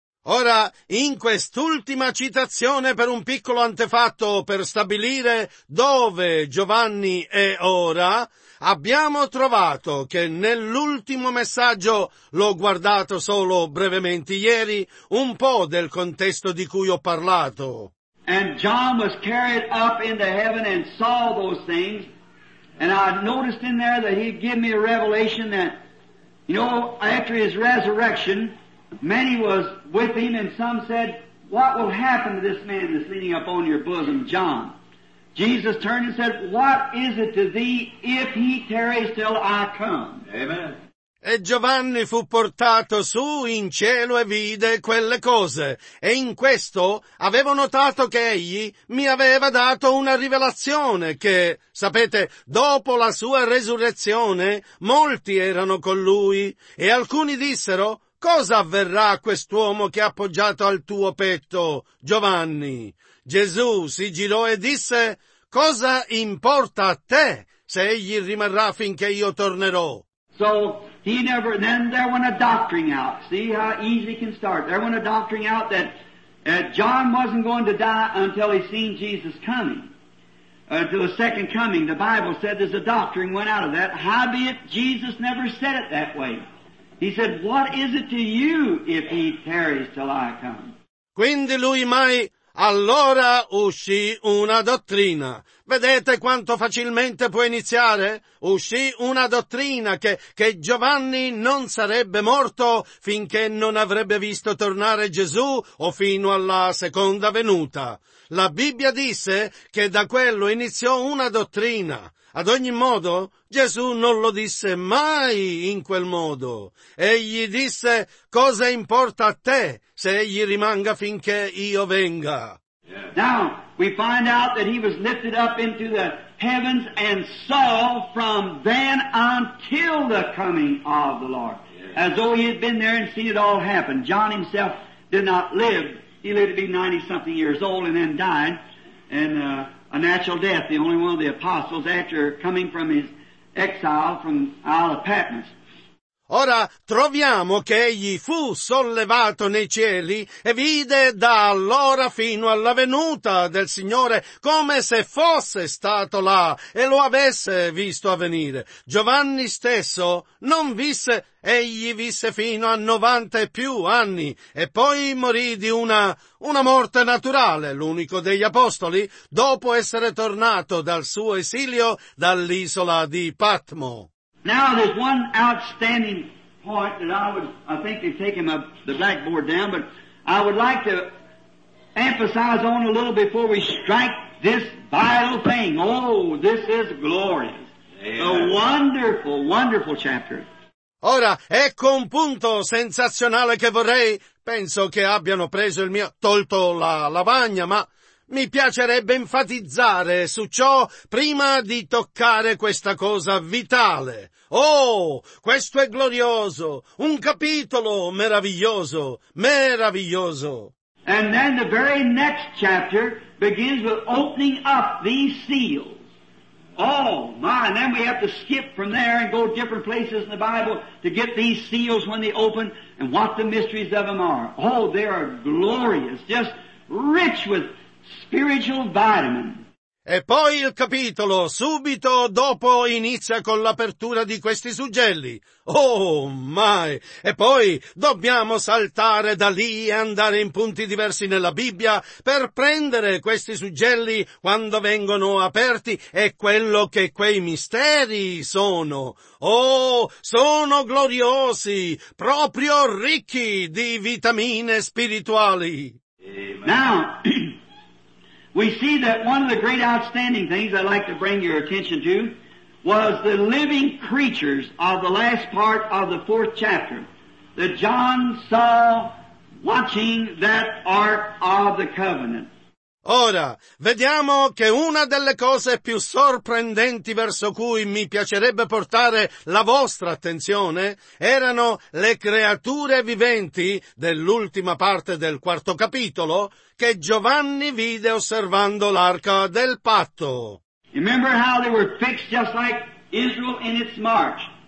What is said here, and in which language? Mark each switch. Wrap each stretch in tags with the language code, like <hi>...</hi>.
<it>Ora, in quest'ultima citazione, per un piccolo antefatto, per stabilire dove Giovanni è ora, abbiamo trovato che nell'ultimo messaggio, l'ho guardato solo brevemente ieri, un po' del contesto di cui ho parlato.</it> <en>And John was carried up into heaven and saw those things, and I noticed in there that he gave me a revelation that, you know, after his resurrection, many was with him, and some said, what will happen to this man that's leaning up on your bosom, John? Jesus turned and said, what is it to thee if he tarries till I come? Amen.</en> <it>E Giovanni fu portato su in cielo e vide quelle cose, e in questo avevo notato che egli mi aveva dato una rivelazione che, sapete, dopo la sua resurrezione, molti erano con lui, e alcuni dissero, cosa avverrà a quest'uomo che è appoggiato al tuo petto, Giovanni? Gesù si girò e disse, cosa importa a te se egli rimarrà finché io tornerò?</it> <en>So, he never, then there went a doctrine out. See how easy it can start. There went a doctrine out that John wasn't going to die until he seen Jesus coming, until the second coming. The Bible said there's a doctrine went out of that. Howbeit, Jesus never said it that way. He said, what is it to you if he tarries till I come?</en> <it>Quindi lui mai... Allora uscì una dottrina. Vedete quanto facilmente può iniziare? Uscì una dottrina che Giovanni non sarebbe morto finché non avrebbe visto tornare Gesù o fino alla seconda venuta. La Bibbia disse che da quello iniziò una dottrina. Ad ogni modo, Gesù non lo disse mai in quel modo. Egli disse, cosa importa a te se egli rimanga finché io venga?</it> <en>Now, we find out that he was lifted up into the heavens and saw from then until the coming of the Lord. As though he had been there and seen it all happen. John himself did not live. He lived to be 90-something years old and then died. And a natural death, the only one of the apostles after coming from his exile from Isle of Patmos.</en> <it>Ora troviamo che egli fu sollevato nei cieli e vide da allora fino alla venuta del Signore come se fosse stato là e lo avesse visto avvenire. Giovanni stesso non visse, egli visse fino a 90 e più anni e poi morì di una morte naturale, l'unico degli apostoli, dopo essere tornato dal suo esilio dall'isola di Patmo.</it> <en>Now there's one outstanding point that I think they've taken the blackboard down, but I would like to emphasize on a little before we strike this vital thing. Oh, this is glorious. Amen. A wonderful, wonderful chapter.</en> <it>Ora, ecco un punto sensazionale che vorrei, penso che abbiano preso il mio, tolto la lavagna, ma... Mi piacerebbe enfatizzare su ciò prima di toccare questa cosa vitale. Oh, questo è glorioso, un capitolo meraviglioso, meraviglioso.</it> <en>And then the very next chapter begins with opening up these seals. Oh, my, and then we have to skip from there and go different places in the Bible to get these seals when they open and what the mysteries of them are. Oh, they are glorious, just rich with spiritual vitamin.</en> <it>E poi il capitolo, subito dopo, inizia con l'apertura di questi suggelli. Oh, mai! E poi dobbiamo saltare da lì e andare in punti diversi nella Bibbia per prendere questi suggelli quando vengono aperti e quello che quei misteri sono. Oh, sono gloriosi, proprio ricchi di vitamine spirituali.</it> <en>Now, we see that one of the great outstanding things I'd like to bring your attention to was the living creatures of the last part of the fourth chapter that John saw watching that ark of the covenant.</en> <it>Ora, vediamo che una delle cose più sorprendenti verso cui mi piacerebbe portare la vostra attenzione erano le creature viventi dell'ultima parte del quarto capitolo che Giovanni vide osservando l'arca del patto.</it> <en>Remember how they were fixed just like Israel in its march?</en>